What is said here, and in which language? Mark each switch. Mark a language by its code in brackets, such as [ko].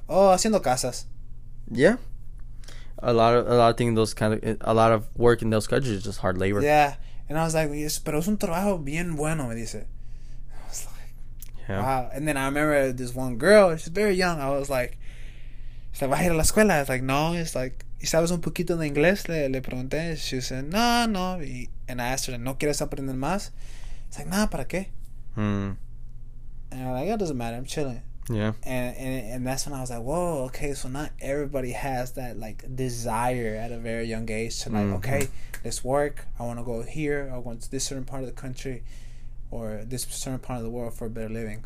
[es] Oh, haciendo casas. [en] Yeah. A lot of work in those countries is just hard labor. Yeah, and I was like, yes, [es] pero es un trabajo bien bueno, me dice. [en] I was like, yeah. Wow. And then I remember this one girl, she's very young. I was like, [es] ¿se va a ir a la escuela? [en] I was like, no. It's like, [es] ¿y sabes un poquito de inglés? Le pregunté. [en] She said, no, no. And I asked her, [es] ¿no quieres aprender más? [en] It's like, nah, [es] ¿para qué? [en] And I'm like, it doesn't matter, I'm chilling. Yeah. And that's when I was like, whoa, okay, so not everybody has that like desire at a very young age to, like, mm-hmm. okay, let's work. I want to go here. I want this certain part of the country or this certain part of the world for a better living.